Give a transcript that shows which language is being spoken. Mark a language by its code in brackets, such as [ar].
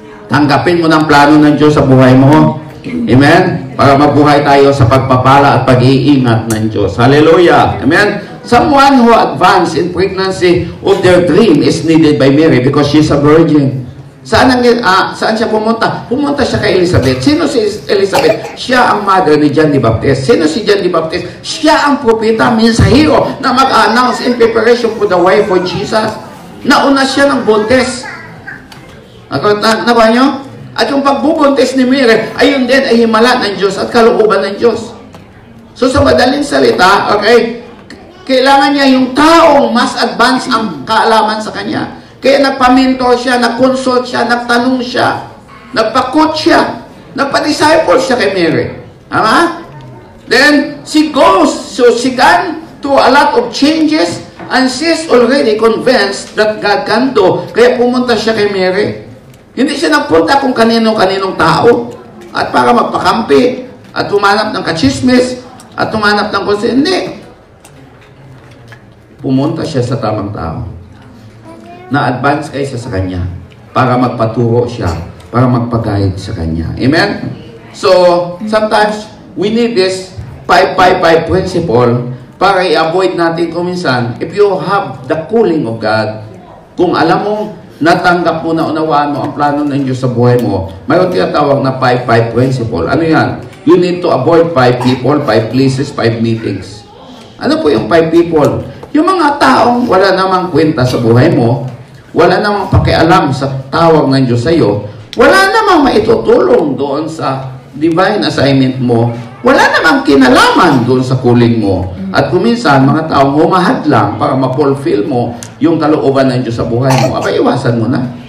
[tl] Tanggapin mo ng plano ng Diyos sa buhay mo. Amen? Para mabuhay tayo sa pagpapala at pag-iingat ng Diyos. Hallelujah! Amen? [en] Someone who advanced in pregnancy of their dream is needed by Mary because she's a virgin. [tl] Saan siya pumunta? Pumunta siya kay Elizabeth. Sino si Elizabeth? Siya ang mother ni John the Baptist. Sino si John the Baptist? Siya ang propeta, mensahero, na mag-announce [en] in preparation for the way for Jesus. [tl] Nauna siya ng buntis. Nakuha niyo? At yung pagbubuntis ni Mary, ayun din ay himala ng Diyos at kalooban ng Diyos. So sa madaling salita, okay, kailangan niya yung taong mas advanced ang kaalaman sa kanya. Kaya nagpa-mentor siya, nag-consult siya, nagtanong siya, nagpa-coach siya, nagpa-disciple siya kay Mary. Tama? [en] Then, she goes, so she gone to a lot of changes and she's already convinced that God can do. [tl] Kaya pumunta siya kay Mary. Hindi siya nagpunta kung kanino-kaninong tao at para magpakampi at tumanap ng kachismis at tumanap ng kasi. Hindi. Pumunta siya sa tamang tao. Na-advance kaysa sa kanya para magpaturo siya, para magpa-guide sa kanya. Amen? [en] So, sometimes, we need this 5-5-5 principle [tl] para i-avoid natin kung minsan, [en] if you have the calling of God, [tl] kung alam mo, natanggap mo, naunawaan mo ang plano ng Diyos sa buhay mo, mayroon tinatawag na 5-5 principle. Ano yan? [en] You need to avoid 5 people, 5 places, 5 meetings. [tl] Ano po yung 5 people? Yung mga taong wala namang kwenta sa buhay mo, wala namang pakialam sa tawag ng Diyos sa iyo, wala namang maitutulong doon sa divine assignment mo, wala namang kinalaman doon sa calling mo. At kuminsan, mga taong humahad lang para ma-fulfill mo yung kalooban ng Diyos sa buhay mo, aba, iwasan mo na.